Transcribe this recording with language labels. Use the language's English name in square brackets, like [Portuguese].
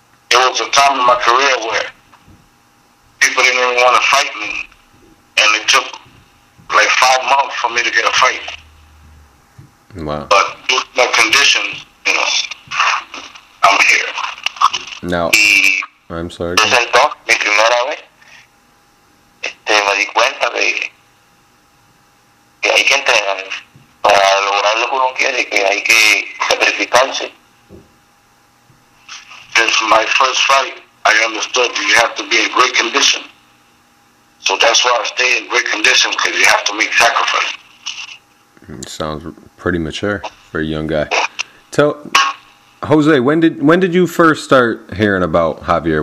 [English] It was a time in my career where people didn't even want to fight me. And it took like 5 months for me to get a fight. Wow. But due to my condition, you know, I'm here. Now, I'm sorry. [Spanish] Me sentó mi primera vez. Me di cuenta que hay que entrenar para lograr lo que uno quiere, que hay que sacrificarse. [English] Since my first fight, I understood that you have to be in great condition. So that's why I stay in great condition, because you have to make sacrifice. Sounds pretty mature for a young guy. Tell Jose, when did you first start hearing about Javier?